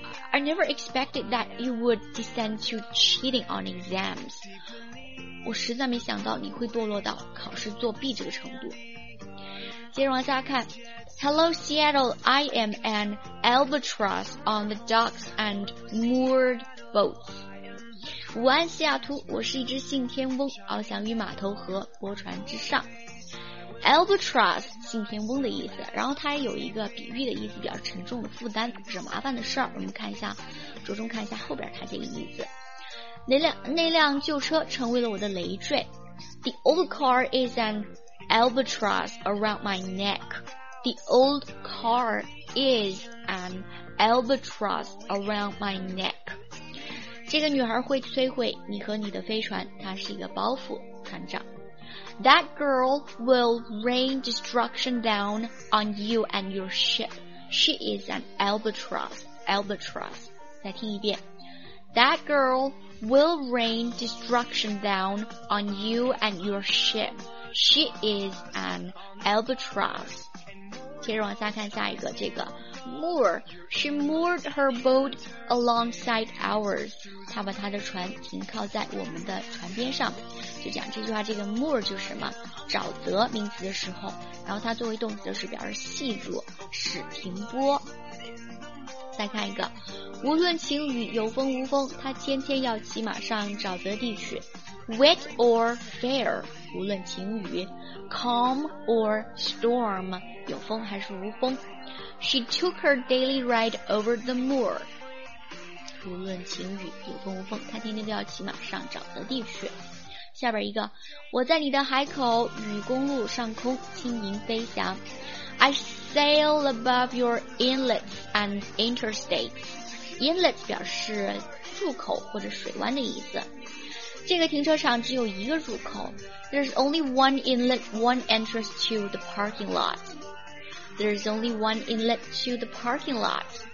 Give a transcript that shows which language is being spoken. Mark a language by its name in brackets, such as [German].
[English] I never expected that he would descend to cheating on exams. [Chinese] 我实在没想到你会堕落到考试作弊这个程度。接着往下看 [English] Hello Seattle, I am an albatross on the docks and moored boats [Chinese] 午安西雅图我是一只信天翁翱翔于码头和驳船之上 albatross 信天翁的意思，然后它也有一个比喻的意思，比较沉重的负担，指麻烦的事儿。我们看一下，着重看一下后边它这个意思。那辆旧车成为了我的累赘。 [English] The old car is an albatross around my neck. The old car is an albatross around my neck. [Chinese] 这个女孩会摧毁你和你的飞船，它是一个包袱，船长。 [English] That girl will rain destruction down on you and your ship. She is an albatross. Albatross. [Chinese] 再听一遍。 [English] That girl will rain destruction down on you and your ship. She is an albatross. [Chinese] 接着往下看下一个，这个 moor. [English] She moored her boat alongside ours. [Chinese] 她把她的船停靠在我们的船边上。就讲这句话，这个 moor 就是什么？沼泽，名词的时候，然后它作为动词的时候表示系住，使停泊。再看一个，无论晴雨有风无风，他天天要骑马上沼泽地去。 [English] Wet or fair， [Chinese] 无论晴雨 [English] ，calm or storm， [Chinese] 有风还是无风。 [English] She took her daily ride over the moor。 [Chinese] 无论晴雨有风无风，他天天都要骑马上沼泽地去。下边一个，我在你的海口与公路上空轻盈飞翔。 [English] I sail above your inlets and interstates. [Chinese] Inlet 表示入口或者水湾的意思。这个停车场只有一个入口。 [English] There's only one inlet, one entrance to the parking lot. There's only one inlet to the parking lot.